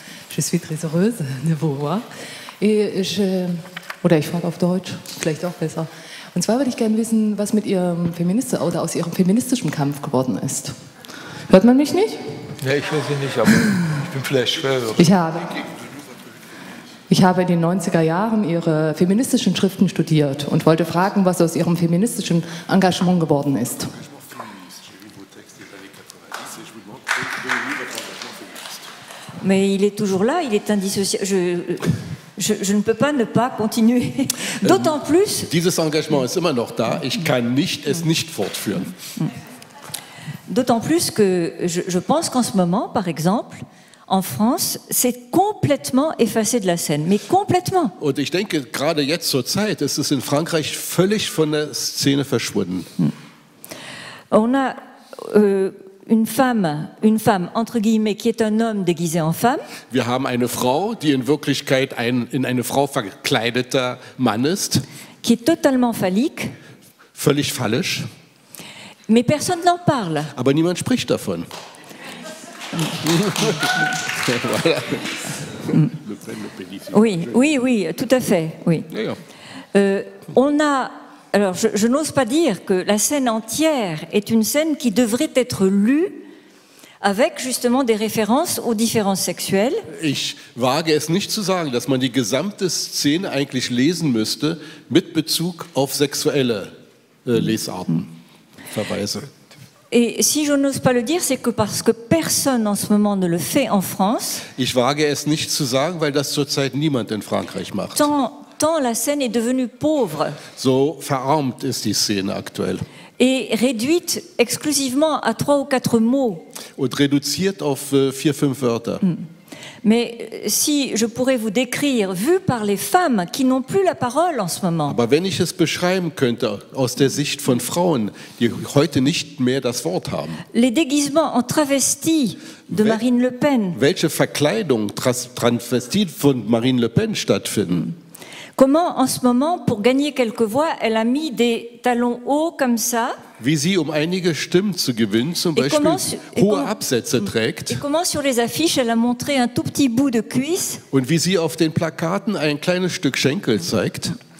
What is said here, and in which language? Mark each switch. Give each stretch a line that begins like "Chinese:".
French: Je suis très heureuse de vous voir.
German: Et ich frage auf Deutsch, vielleicht auch besser. Und zwar würde ich gerne wissen, was mit Ihrem aus Ihrem feministischen Kampf geworden ist. Hört man mich nicht? Ja, ich höre Sie nicht, aber ich bin vielleicht schwer. Ich habe in den 90er Jahren Ihre feministischen Schriften studiert und wollte fragen, was aus Ihrem feministischen Engagement geworden ist.
French: Mais il est toujours là, il est indissociable. Je ne peux pas ne pas continuer. D'autant plus.
German: Dieses Engagement ist immer noch da. Ich kann es nicht fortführen.
French: D'autant plus que je pense qu'en ce moment, par exemple, en France, c'est complètement effacé de la scène, mais complètement.
German: Und ich denke, gerade jetzt zur Zeit, ist es in Frankreich völlig von der Szene verschwunden.
French: On a une femme entre guillemets qui est un homme déguisé en femme.
German: Wir haben eine Frau, die in Wirklichkeit in eine Frau verkleideter Mann ist.
French: Qui est totalement phallique.
German: Völlig phallisch.
French: Mais personne n'en parle.
German: Aber niemand spricht davon.
French: Oui, tout à fait, oui. Je n'ose pas dire que la scène entière est une scène qui devrait être lue avec justement des références aux différences sexuelles.
German: Ich wage es nicht zu sagen, dass man die gesamte Szene eigentlich lesen müsste mit Bezug auf sexuelle Lesarten. Verweise.
French: Et si je n'ose pas le dire, c'est que parce que personne en ce moment ne le fait en France.
German: Ich wage es nicht zu sagen, weil das zurzeit niemand in Frankreich macht.
French: Tant la scène est devenue pauvre.
German: So verarmt ist die Szene aktuell.
French: Et réduite exclusivement à 3 ou 4 mots.
German: Und reduziert auf 4, 5 Wörter.
French: Mais si je pourrais vous décrire, vu par les femmes qui n'ont plus la parole en ce moment.
German: Aber wenn ich es beschreiben könnte aus der Sicht von Frauen, die heute nicht mehr das Wort haben.
French: Les déguisements en travestie de Marine Le Pen.
German: Welche Verkleidung Transvestit von Marine Le Pen stattfinden?
French: Comment en ce moment, pour gagner quelques voix, elle a mis des talons hauts comme ça?
German: Wie sie, um einige Stimmen zu gewinnen, zum Beispiel hohe Absätze trägt.
French: Comment sur les affiches, elle a montré un tout petit bout de cuisse.
German: Und wie sie auf den Plakaten ein kleines Stück Schenkel zeigt.